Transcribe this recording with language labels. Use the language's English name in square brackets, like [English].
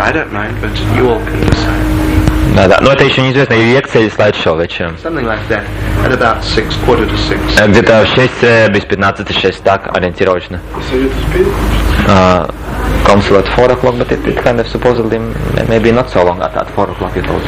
[English] I don't mind, but you all can decide. No, that, no, [Russian] это еще неизвестно. Лекция или слайд-шоу вечером? [English] Something like that. At about 6, quarter to 6. [Russian] Где-то в 6, без 15, 6, так, ориентировочно. [English] Council at 4 o'clock, but it kind of supposedly maybe not so long at 4 o'clock it was.